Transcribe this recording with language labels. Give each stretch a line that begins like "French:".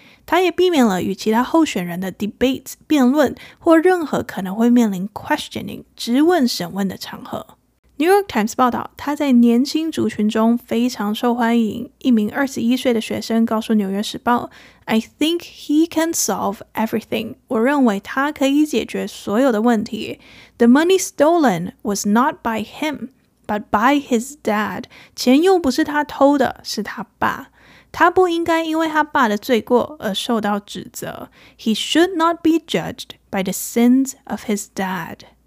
Chinese: 他也避免了与其他候选人的 debates 辩论或任何可能会面临 questioning 质问审问的场合。 New York Times 报道，他在年轻族群中非常受欢迎。一名21岁的学生告诉《纽约时报》：
English: “I think he can solve everything。
Chinese: 我认为他可以解决所有的问题。
English: The money stolen was not by him, but by his dad。
Chinese: 钱又不是他偷的，是他爸。他不应该因为他爸的罪过而受到指责。
English: He should not be judged by the sins of his dad。”